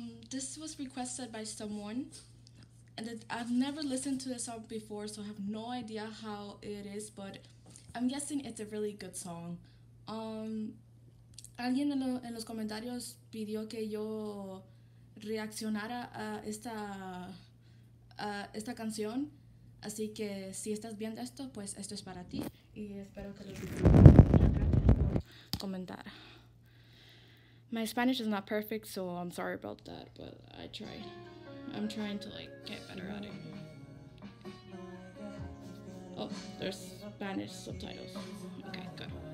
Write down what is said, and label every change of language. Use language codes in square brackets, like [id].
[en] This was requested by someone, and I've never listened to this song before, so I have no idea how it is, but I'm guessing it's a really good song. [es] Alguien en los comentarios pidió que yo reaccionara a esta canción. Así que si estás viendo esto, pues esto es para ti. Y espero que lo disfrutes. Gracias por comentar. [en] My Spanish is not perfect, so I'm sorry about that. But I try. I'm trying to like get better at it. Oh, there's Spanish subtitles. Okay, good.